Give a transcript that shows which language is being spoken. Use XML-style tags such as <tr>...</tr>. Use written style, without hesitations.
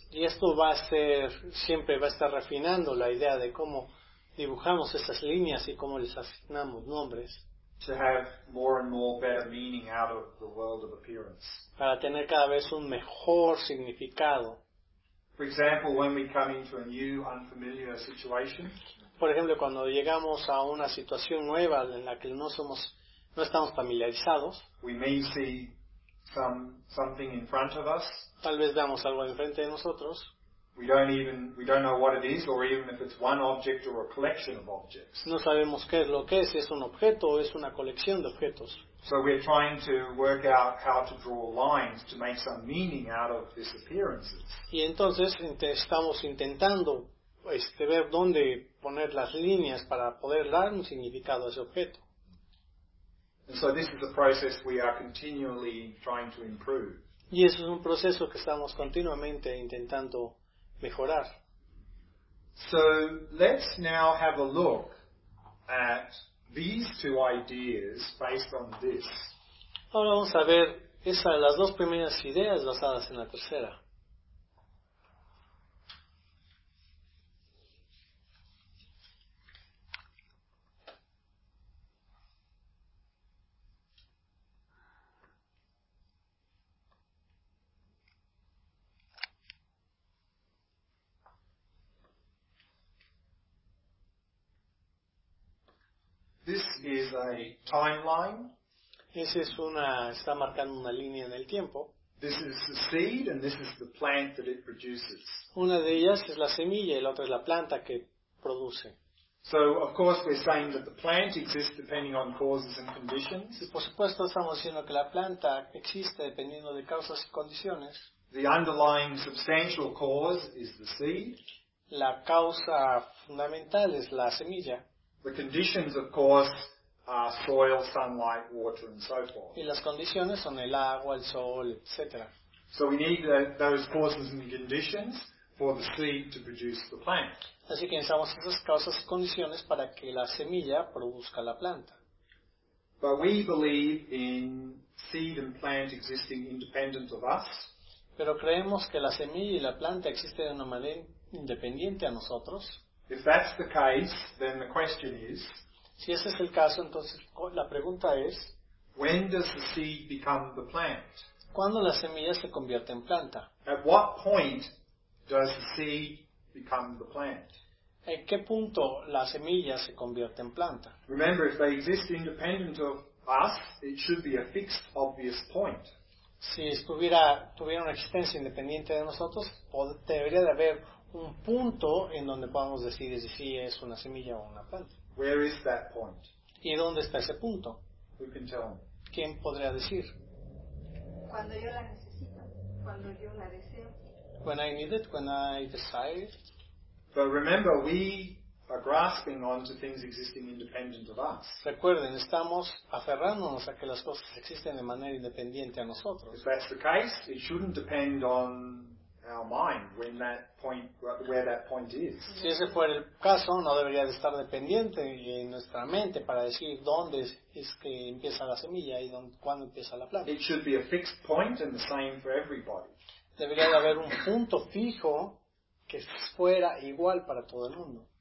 <es>Y esto siempre va a estar refinando la idea de cómo dibujamos esas líneas y cómo les asignamos nombres.</es> <en>To have more and more better meaning out of the world of appearance.</en> <es>Para tener cada vez un mejor significado.</es> <en>For example, when we come into a new, unfamiliar situation.</en> <es>Por ejemplo, cuando llegamos a una situación nueva en la que no estamos familiarizados.</es> <en>We may see something in front of us.</en> <es>Tal vez veamos algo enfrente de nosotros.</es> <en>We don't know what it is, or even if it's one object or a collection of objects.</en> <es>No sabemos qué es lo que es, si es un objeto o es una colección de objetos.</es> <en>So we're trying to work out how to draw lines to make some meaning out of these appearances.</en> <es>Y entonces estamos intentando ver dónde poner las líneas para poder dar un significado a ese objeto.</es> <en>And so this is a process we are continually trying to improve.</en> <es>Y eso es un proceso que estamos continuamente intentando mejorar.</es> <en>So let's now have a look at these two ideas based on this.</en> <es>Ahora vamos a ver las dos primeras ideas basadas en la tercera.</es> <en>This is a timeline.</en> <es>Ese es una, está marcando una línea en el tiempo.</es> <en>This is the seed and this is the plant that it produces.</en> <es>Una de ellas es la semilla y la otra es la planta que produce.</es> <en>So, of course, we're saying that the plant exists depending on causes and conditions.</en> <es>Y por supuesto, estamos diciendo que la planta existe dependiendo de causas y condiciones.</es> <en>The underlying substantial cause is the seed.</en> <es>La causa fundamental es la semilla.</es> <en>The conditions, of course, are soil, sunlight, water, and so forth.</en> <es>Y las condiciones son el agua, el sol, etc.</es> <en>So we need those causes and conditions for the seed to produce the plant.</en> <es>Así que necesitamos esas causas y condiciones para que la semilla produzca la planta.</es> <en>But we believe in seed and plant existing independent of us.</en> <es>Pero creemos que la semilla y la planta existen de una manera independiente a nosotros.</es> <en>If that's the case, then the question is,</en> <es>si ese es el caso, entonces la pregunta es,</es> <en>when does the seed become the plant?</en> <es>¿Cuándo la semilla se convierte en planta?</es> <en>At what point does the seed become the plant?</en> <es>¿En qué punto la semilla se convierte en planta?</es> <en>Remember, if they exist independent of us, it should be a fixed, obvious point.</en> <es>Si tuviera una existencia independiente de nosotros, debería de haber un punto en donde podamos decidir si es una semilla o una planta.</es> <en>Where is that point?</en> <es>¿Y dónde está ese punto?</es> <en>Who can tell me?</en> <es>¿Quién podría decir? Cuando yo la necesito, cuando yo la deseo.</es> <en>When I need it, when I desire. But remember, we are grasping onto things existing independent of us.</en> <es>Recuerden, estamos aferrándonos a que las cosas existen de manera independiente a nosotros.</es> <en>If that's the case, it shouldn't depend on our mind when that point, where that point is.</en> <es>Si ese fuera el caso, no debería de estar dependiente en nuestra mente para decir dónde es que empieza la semilla y dónde, cuándo empieza la planta.</es> <en>It should be a fixed point and the same for everybody.</en> <es>Debería de haber un punto fijo que fuera igual para todo el mundo.</es>